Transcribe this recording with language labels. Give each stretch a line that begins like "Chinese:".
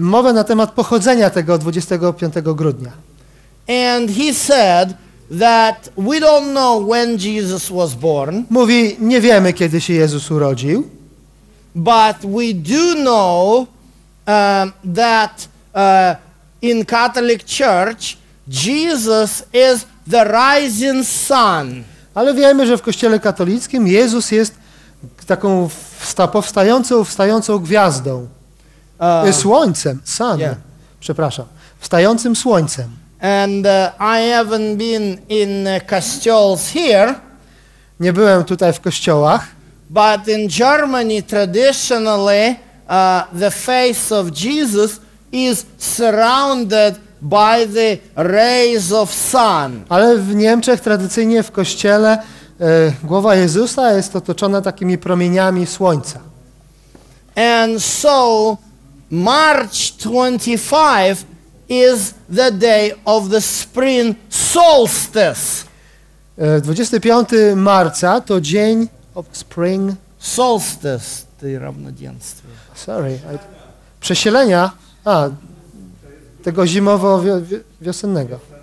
Polish: Mowę na temat pochodzenia tego 25 grudnia.
English: And he said that we don't know when Jesus was born.
Polish: Mówi, nie wiemy, kiedy się Jezus urodził.
English: But we do know that in Catholic Church Jesus is the rising sun.
Polish: Ale wiemy, że w Kościele katolickim Jezus jest taką powstającą gwiazdą. Słońcem,
English: sun. Yeah.
Polish: Przepraszam. Wstającym słońcem.
English: And I haven't been in castles here.
Polish: Nie byłem tutaj w kościołach.
English: But in Germany traditionally the face of Jesus is surrounded by the rays of sun.
Polish: Ale w Niemczech tradycyjnie w kościele głowa Jezusa jest otoczona takimi promieniami słońca.
English: And so March 25 is the day of the spring solstice.
Polish: 25 marca to dzień
English: of spring
Polish: solstice, równodzieństwo.
English: Sorry.
Polish: Przesilenia. A tego zimowo-wiosennego.